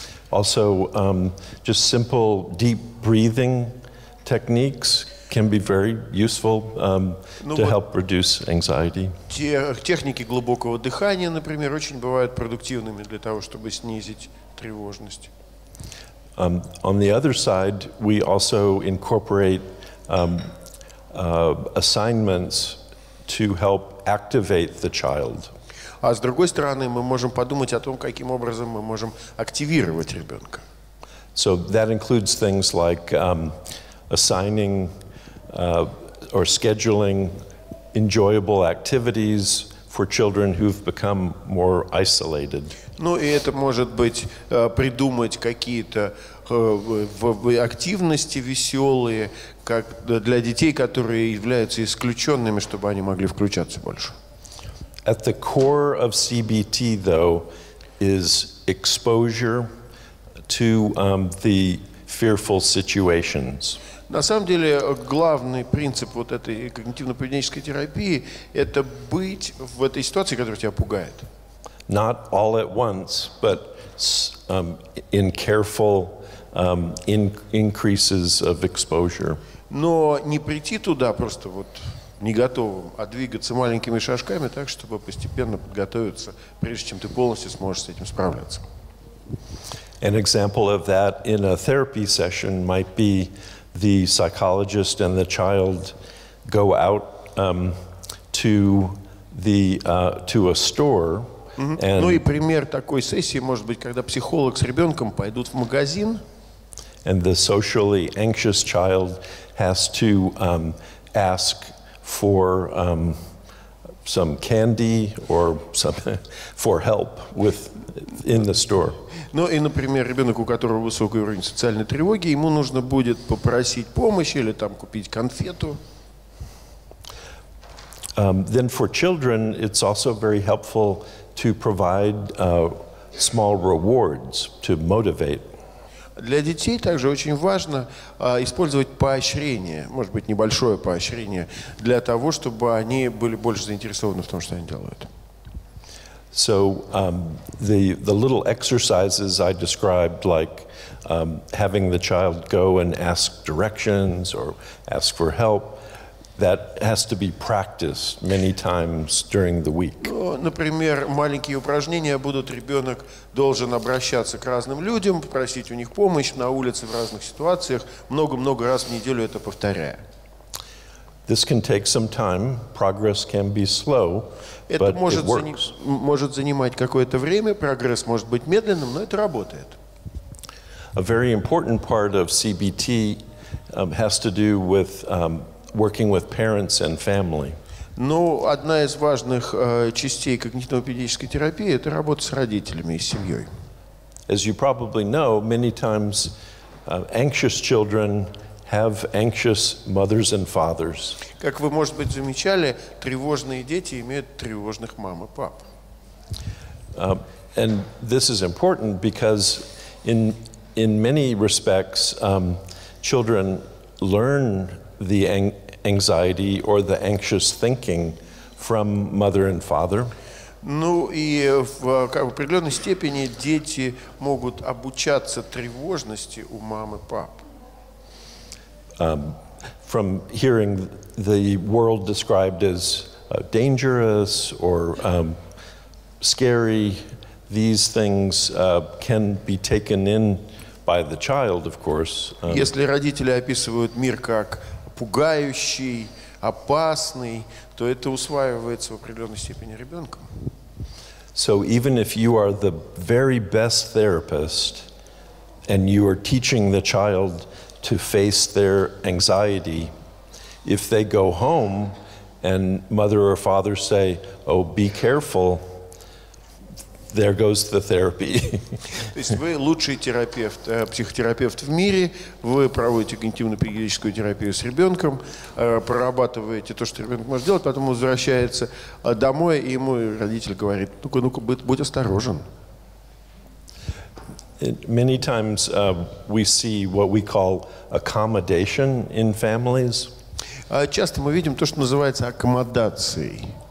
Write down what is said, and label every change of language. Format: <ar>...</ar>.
<en>Also, just simple deep breathing techniques can be very useful to help reduce anxiety.</en> <ru>Техники глубокого дыхания, например, очень бывают продуктивными для того, чтобы снизить тревожность.</ru> <en>On the other side, we also incorporate assignments to help activate the child.</en> <ru>А с другой стороны, мы можем подумать о том, каким образом мы можем активировать ребенка.</ru> <en>So that includes things like assigning or scheduling enjoyable activities for children who've become more isolated.</en> <ru>Ну и это может быть придумать какие-то активности веселые как для детей, которые являются исключенными, чтобы они могли включаться больше.</ru> <en>At the core of CBT, though, is exposure to the fearful situations.</en> <ru>На самом деле, главный принцип вот этой когнитивно-поведенческой терапии – это быть в этой ситуации, которая тебя пугает.</ru> <en>Not all at once, but in careful increases of exposure.</en> <ru>Но не прийти туда просто вот не готовым, а двигаться маленькими шажками так, чтобы постепенно подготовиться, прежде чем ты полностью сможешь с этим справляться.</ru> <en>An example of that in a therapy session might be the psychologist and the child go out to a store. And,</en> <ru>ну и пример такой сессии может быть, когда психолог с ребенком пойдут в магазин.</ru> <en>And the socially anxious child has to ask for some candy or some for help with in the store.</en> <ru>Ну и, например, ребенок, у которого высокий уровень социальной тревоги, ему нужно будет попросить помощи или там купить конфету.</ru> <en>Then for children, it's also very helpful to provide small rewards to motivate.</en> <ru>Для детей также очень важно использовать поощрение, может быть, небольшое поощрение, для того, чтобы они были больше заинтересованы в том, что они делают.</ru> <en>So the little exercises I described, like having the child go and ask directions or ask for help, that has to be practiced many times during the week.</en> <ru>Ну, например, маленькие упражнения будут, ребенок должен обращаться к разным людям, попросить у них помощь на улице в разных ситуациях, много-много раз в неделю это повторяя.</ru> <en>This can take some time. Progress can be slow,</en> <ru>это</ru> <en>but</en> <ru>может</ru> <en>it works.</en> <ru>Может занимать какое-то время, прогресс может быть медленным, но это работает.</ru> <en>A very important part of CBT has to do with working with parents and family.</en> <ru>Ну, одна из важных частей когнитивно-поведенческой терапии – это работа с родителями и семьей.</ru> <en>As you probably know, many times anxious children have anxious mothers and fathers.</en> <ru>Как вы, может быть, замечали, тревожные дети имеют тревожных мам и пап.</ru> <en>And this is important because in many respects children learn the anxiety or the anxious thinking from mother and father.</en> <ru>Ну и в определенной степени дети могут обучаться тревожности у мамы и папы.</ru> <en>From hearing the world described as dangerous or scary, these things can be taken in by the child, of course.</en> <ru>Если родители описывают мир как пугающий, опасный, то это усваивается в определенной степени ребенком.</ru> <en>So even if you are the very best therapist and you are teaching the child to face their anxiety, if they go home and mother or father say, oh, be careful, There goes the therapy.</en> <ru>То есть вы лучший терапевт, психотерапевт в мире, вы проводите когнитивно-педагогическую терапию с ребенком, прорабатываете то, что ребенок может делать, потом возвращается домой, и ему родитель говорит, ну-ка, будь осторожен.</ru> <en>Many times we see what we call accommodation in families.</en> <ru>Часто мы видим то, что называется аккомодацией.</ru>